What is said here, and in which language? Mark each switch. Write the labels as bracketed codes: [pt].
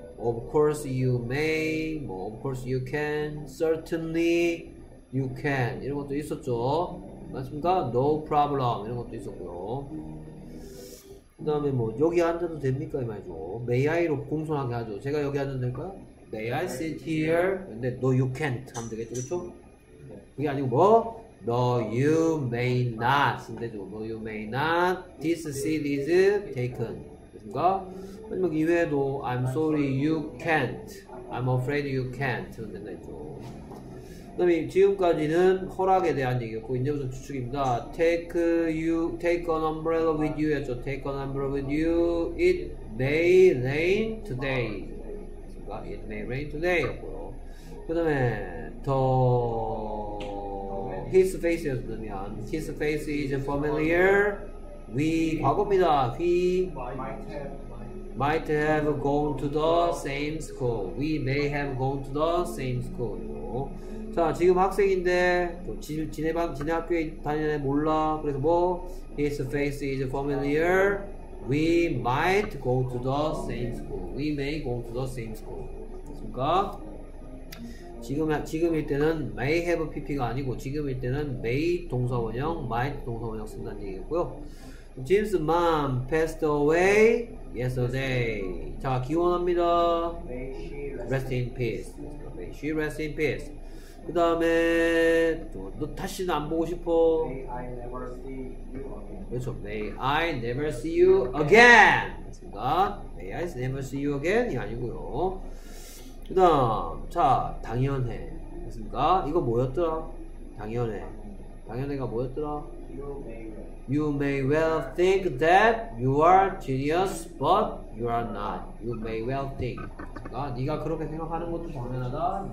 [en] Of course you may, of course you can, certainly you can [ko] 이런 것도 있었죠. 맞습니까? [en] No problem [ko] 이런 것도 있었고요. 그 다음에 뭐 여기 앉아도 됩니까 이 말이죠. May I로 공손하게 하죠. 제가 여기 앉아도 될까요? [en] May I sit here? [ko] 근데 [en] no you can't [ko] 하면 되겠죠. 그렇죠? 그게 아니고 뭐? [en] No you may not [ko] 하면 되죠. [en] No you may not. This seat is taken. [ko] 그러니까 이 외에도 [en] I'm sorry you can't, I'm afraid you can't [ko] 그런 데가 있죠. 그다음에 지금까지는 허락에 대한 얘기였고 이제부터 추측입니다. [en] Take you take an umbrella with you. [ko] 했죠. [en] Take an umbrella with you. It may rain today. 그러니까 it may rain today였고요. [ko] 그다음에 더 [en] his face 였으면 his face is familiar. [ko] We 과거입니다. [en] We might have gone to the same school. We may have gone to the same school. [ko] 자, 지금 학생인데 지네 학교에 다니는 애 몰라. 그래서 뭐 [en] his face is familiar. We might go to the same school. We may go to the same school. [ko] 그러니까 지금일 때는 may have pp가 아니고 지금일 때는 may 동사원형, might 동사원형 쓴다는 얘기고요. [en] James mom passed away yesterday. [ko] 자, 기원합니다. [en] Rest in peace. May she rest in peace. [ko] 그 다음에 너 다시는 안 보고 싶어. [en] May I never see you again. [ko] 그렇죠. [en] May I never see you again. 그러니까 May I never see you again [ko] 이 아니고요. 그 다음 자 당연해. 그렇습니까? 이거 뭐였더라? 당연해. 당연해가 뭐였더라? [en] You may well think that you are genius, but you are not. You may well think. [ko] 그러니까 네가 그렇게 생각하는 것도 당연하다.